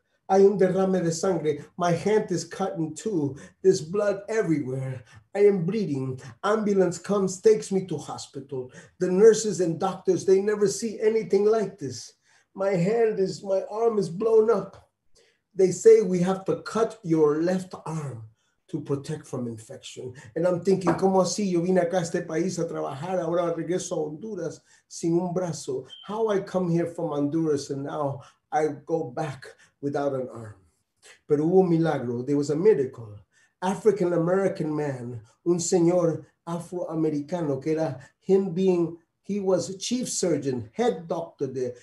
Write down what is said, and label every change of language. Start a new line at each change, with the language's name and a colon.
Spanish: Hay un derrame de sangre.
English: My hand is cut in two. There's blood everywhere. I am bleeding. Ambulance comes, takes me to hospital. The nurses and doctors, they never see anything like this. My arm is blown up. They say we have to cut your left arm to protect from infection. And I'm thinking,
Spanish: ¿cómo así? Yo vine acá a este país a trabajar, ahora regreso a Honduras sin un brazo.
English: How I come here from Honduras and now I go back without an arm.
Spanish: Pero hubo un milagro,
English: there was a miracle. African-American man,
Spanish: un señor afroamericano,
English: que era him being, he was a chief surgeon, head doctor there.